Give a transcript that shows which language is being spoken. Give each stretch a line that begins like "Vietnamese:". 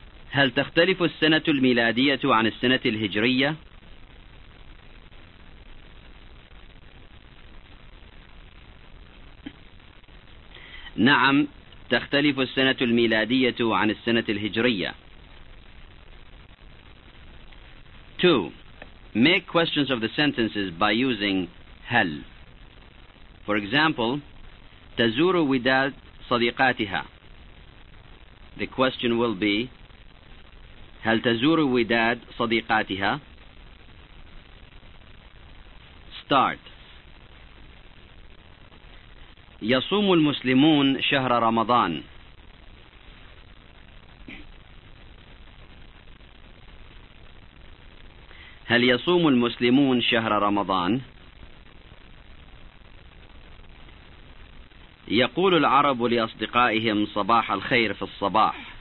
Arabic: هل تختلف السنة الميلادية عن السنة الهجرية؟ نعم تختلف السنة الميلادية عن السنة الهجرية.
English: 2. Make questions of the sentences by using هل. For example,
Arabic: تزور وداد صديقاتها.
English: The question will be,
Arabic: هل تزور وداد صديقاتها؟
English: Start.
Arabic: يصوم المسلمون شهر رمضان. هل يصوم المسلمون شهر رمضان؟ يقول العرب لأصدقائهم صباح الخير في الصباح.